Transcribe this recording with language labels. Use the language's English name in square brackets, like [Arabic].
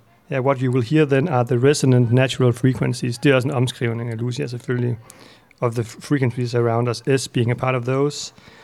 [English] what you will hear then are the resonant natural frequencies. [Danish] Det er også en omskrivning af Lucia, selvfølgelig. [English] Of the frequencies around us, S being a part of those.